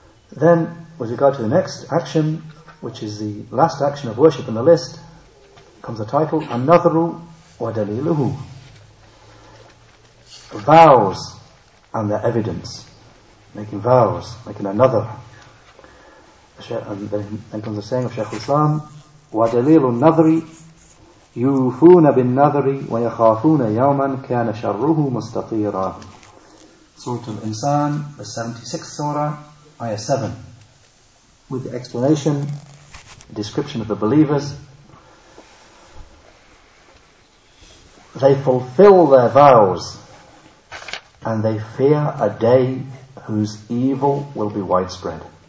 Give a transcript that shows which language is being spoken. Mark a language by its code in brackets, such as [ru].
[en] Then, with regard to the next action, which is the last action of worship in the list, comes the title, An-Nadhru wa Daliluhu. Vows and their evidence. Making vows, making another. And then comes the saying of Shaykh al-Islam, [ar] Wa Dalilu Nadhri يوفون بالنذر ويخافون يوما كان شره مستطيرا. [en] سورة الإنسان, the 76th surah, ayah 7, with the explanation, the description of the believers. They fulfill their vows and they fear a day whose evil will be widespread.